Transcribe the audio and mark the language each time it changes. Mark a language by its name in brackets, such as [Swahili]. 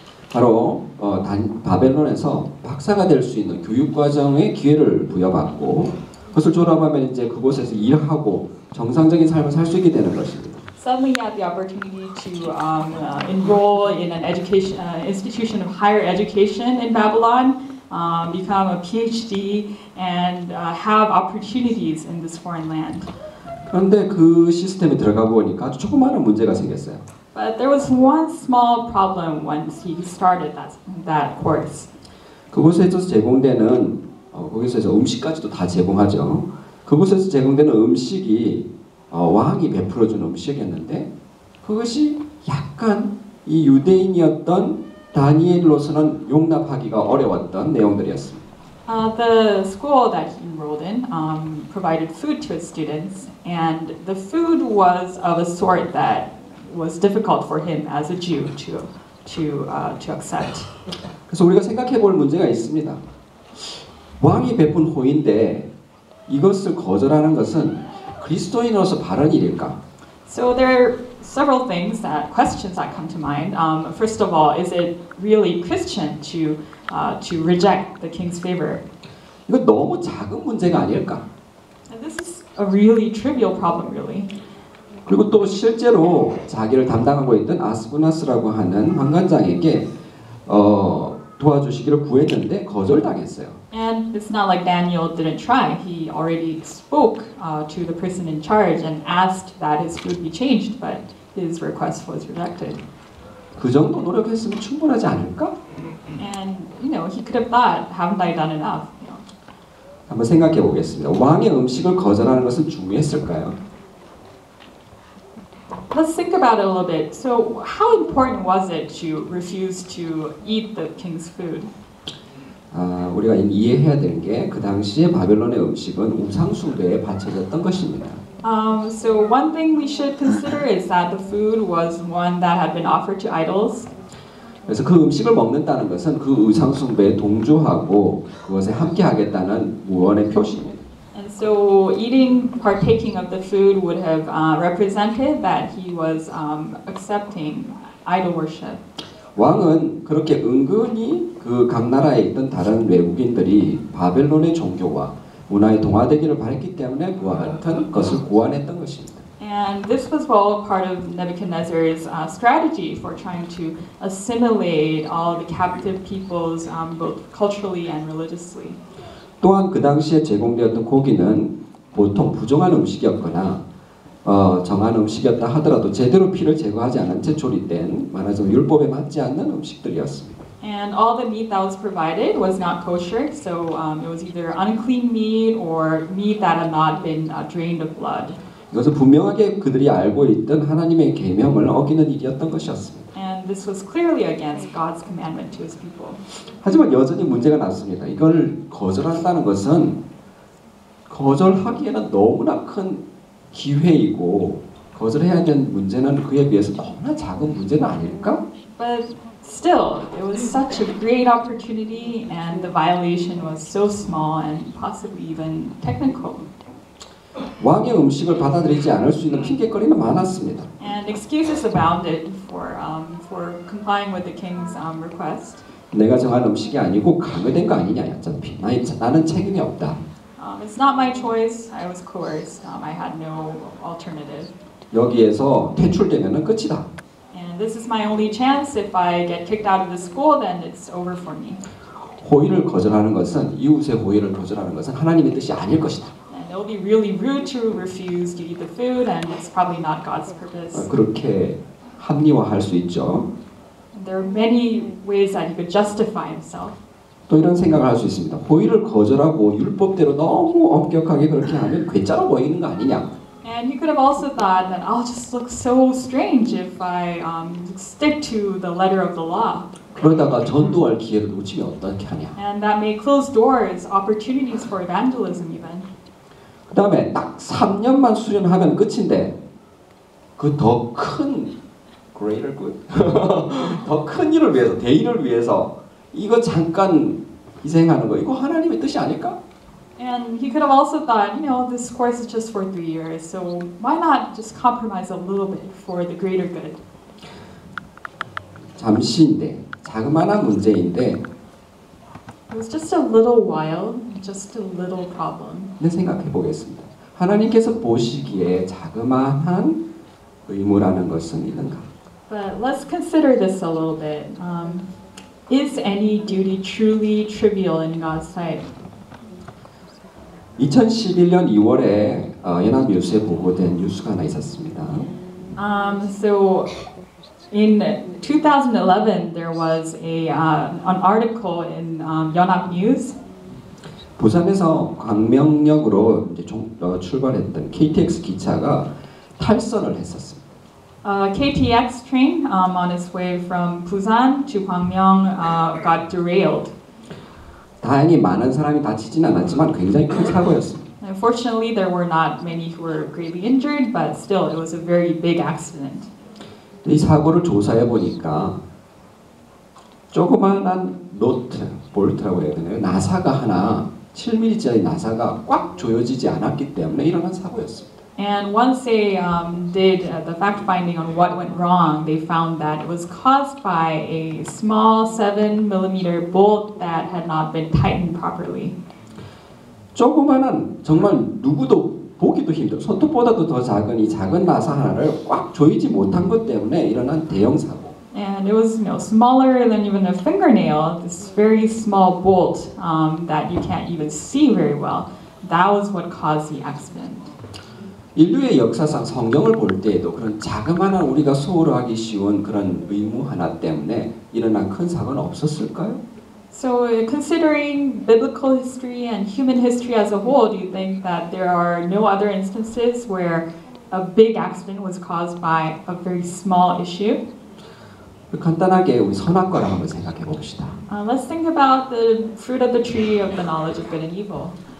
[Korean] 바로 바벨론에서 박사가 될 수 있는 교육 과정의 기회를 부여받고, 그것을 졸업하면 이제 그곳에서 일하고 정상적인 삶을 살 수 있게 되는 것입니다. [English] Suddenly, he had the opportunity to enroll in an education institution of higher education in Babylon. Become a PhD and have opportunities in this foreign land. [Korean] 그런데 그 시스템에 들어가 보니까 아주 조그마한 문제가 생겼어요. [English] But there was one small problem once he started that course. [Korean] 그곳에서 제공되는 거기서 음식까지도 다 제공하죠. 그곳에서 제공되는 음식이 왕이 베풀어 준 음식이었는데 그것이 약간 이 유대인이었던 다니엘로서는 용납하기가 어려웠던 내용들이었습니다. [English] The school that he enrolled in provided food to his students, and the food was of a sort that was difficult for him as a Jew to accept. [Korean] 그래서 우리가 생각해 볼 문제가 있습니다. 왕이 베푼 호인데 이것을 거절하는 것은 그리스도인으로서 바른 일일까? [English] So there are several things that questions that come to mind. First of all, is it really Christian to reject the king's favor? [Korean] 이거 너무 작은 문제가 아닐까? [English] And this is a really trivial problem, really. [Korean] 그리고 또 실제로 자기를 담당하고 있던 아스구나스라고 하는 환관장에게 도와주시기를 구했는데 거절당했어요. [English] And it's not like Daniel didn't try. He already spoke to the person in charge and asked that his food be changed, but his request was rejected. [Korean] 그 정도 노력했으면 충분하지 않을까? [English] And you know, he could have thought, haven't I done enough? You know. [Korean] 한번 생각해 보겠습니다. 왕의 음식을 거절하는 것은 중요했을까요? [English] let's think about it a little bit. So how important was it to refuse to eat the king's food? [Korean] 우리가 이해해야 되는 게 그 당시에 바벨론의 음식은 우상숭배에 바쳐졌던 것입니다. [English] So one thing we should consider is that the food was one that had been offered to idols. [Korean] 그래서 그 음식을 먹는다는 것은 그 우상숭배에 동조하고 그것에 함께하겠다는 무언의 표시입니다. [English] And so eating, partaking of the food would have represented that he was accepting idol worship. [Korean] 왕은 그렇게 은근히 그 각 나라에 있던 다른 외국인들이 바벨론의 종교와 문화에 동화되기를 바랬기 때문에 그와 같은 것을 고안했던 것입니다. [English] And this was all part of Nebuchadnezzar's strategy for trying to assimilate all the captive peoples both culturally and religiously. [Korean] 또한 그 당시에 제공되었던 고기는 보통 부정한 음식이었거나 정한 음식이었다 하더라도 제대로 피를 제거하지 않은 채 조리된 말하자면 율법에 맞지 않는 음식들이었습니다. [English] And all the meat that was provided was not kosher, so it was either unclean meat or meat that had not been drained of blood. [Korean] 이것은 분명하게 그들이 알고 있던 하나님의 계명을 어기는 일이었던 것이었습니다. [English] And this was clearly against God's commandment to his people. [Korean] 하지만 여전히 문제가 났습니다. 이걸 거절한다는 것은 거절하기에는 너무나 큰 기회이고 거절해야 하는 문제는 그에 비해서 너무나 작은 문제는 아닐까? [English] But still, it was such a great opportunity and the violation was so small and possibly even technical. [Korean] 왕의 음식을 받아들이지 않을 수 있는 핑계거리는 많았습니다. [English] And excuses abounded for complying with the king's request. [Korean] 내가 정한 음식이 아니고 강요된 거 아니냐? 어차피 나는 책임이 없다. [English] It's not my choice. I was coerced. I had no alternative. [Korean] 여기에서 퇴출되면은 끝이다. [English] And this is my only chance. If I get kicked out of the school, then it's over for me. [Korean] 호의를 거절하는 것은 이웃의 호의를 거절하는 것은 하나님의 뜻이 아닐 것이다. [English] And it'll be really rude to refuse to eat the food, and it's probably not God's purpose. [Korean] 그렇게 합리화할 수 있죠. [English] There are many ways that he could justify himself. [Korean] 또 이런 생각을 할 수 있습니다. 호의를 거절하고 율법대로 너무 엄격하게 그렇게 하면 괴짜로 보이는 거 아니냐? [English] And you could have also thought that I'll just look so strange if I stick to the letter of the law. [Korean] 그러다가 전도할 기회를 놓치면 어떻게 하냐? [English] And that may close doors, opportunities for evangelism even. [Korean] 그다음에 딱 3년만 수련하면 끝인데 그 더 큰 [English] greater good [Korean] 더 큰 일을 위해서 대의를 위해서. 이거 잠깐 희생하는 거 이거 하나님의 뜻이 아닐까? [English] And he could have also thought, you know, this course is just for 3 years, so why not just compromise a little bit for the greater good? [Korean] 잠시인데, 자그마한 문제인데. [English] It was just a little while, just a little problem. [Korean] 네, 생각해 보겠습니다. 하나님께서 보시기에 자그마한 의무라는 것은 있는가? [English] But let's consider this a little bit. Is any duty truly trivial in God's sight? [Korean] 2011년 2월에 연합 뉴스에 보고된 뉴스가 하나 있었습니다. [English] So in 2011 there was an article in 연합 뉴스. [Korean] 부산에서 광명역으로 이제 출발했던 KTX 기차가 탈선을 했었습니다. [English] KTX train on its way from Busan to Gwangmyeong got derailed. [Korean] 다행히 많은 사람이 다치진 않았지만 굉장히 큰 사고였습니다. [English] Unfortunately, there were not many who were gravely injured, but still, it was a very big accident. [Korean] 이 사고를 조사해 보니까 조그마한 노트, 볼트라고 해야 되나요? 나사가 하나, 7mm짜리 나사가 꽉 조여지지 않았기 때문에 일어난 사고였습니다. [English] And once they did the fact finding on what went wrong, they found that it was caused by a small 7mm bolt that had not been tightened properly. [Korean] 조그만한 정말 누구도 보기도 힘들 손톱보다도 더 작은 이 작은 나사 하나를 꽉 조이지 못한 것 때문에 일어난 대형 사고. [English] And it was, you know, smaller than even a fingernail. This very small bolt that you can't even see very well. That was what caused the accident. [Korean] 인류의 역사상 성경을 볼 때에도 그런 자그마한 우리가 소홀하기 쉬운 그런 의무 하나 때문에 일어난 큰 사건 없었을까요? [English] So considering biblical history and human history as a whole, do you think that there are no other instances where a big accident was caused by a very small issue. [Korean] 간단하게 우리 선악과를 한번 생각해 봅시다. [English] Let's think about the fruit of the tree of the knowledge of good and evil.